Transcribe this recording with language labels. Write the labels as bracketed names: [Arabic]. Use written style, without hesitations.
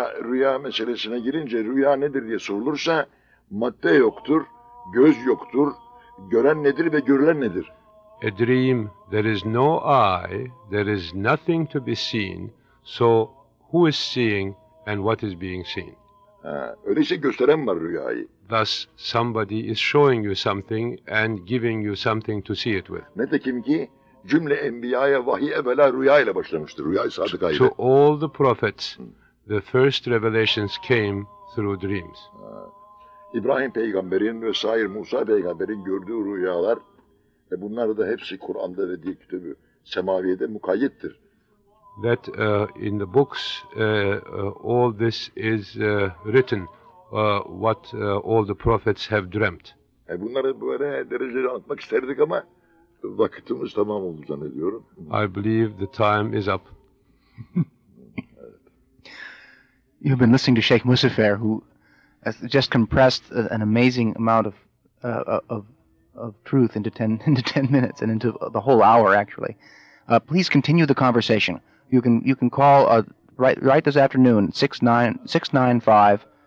[Turkish] Rüya meselesine girince, rüya nedir diye sorulursa, madde yoktur, göz yoktur, gören nedir ve görülen nedir? [English] A dream, there is no eye, there is nothing to be seen, so who is seeing and what is being seen? [Turkish] Öyleyse gösteren var rüyayı. [English] Thus somebody is showing you something and giving you something to see it with. [Turkish] Nitekim ki cümle enbiyaya vahiy evvela rüya ile başlamıştır. Rüya-i sadıkayla. [English] To all the prophets, the first revelations came through dreams. [Turkish] İbrahim peygamberin vesaire Musa peygamberin gördüğü rüyalar ve bunlar da hepsi Kur'an'da ve diğer kitabı semaviyede mukayyettir. [English] That in the books all this is written, what all the prophets have dreamt. [Turkish] Bunları böyle dereceli anlatmak isterdik ama vakitimiz tamam oldu zannediyorum. [English] I believe the time is up. You've been listening to Sheikh Muzaffer, who has just compressed an amazing amount of truth into ten minutes and into the whole hour, actually. Please continue the conversation. You can call right this afternoon, 695-2302.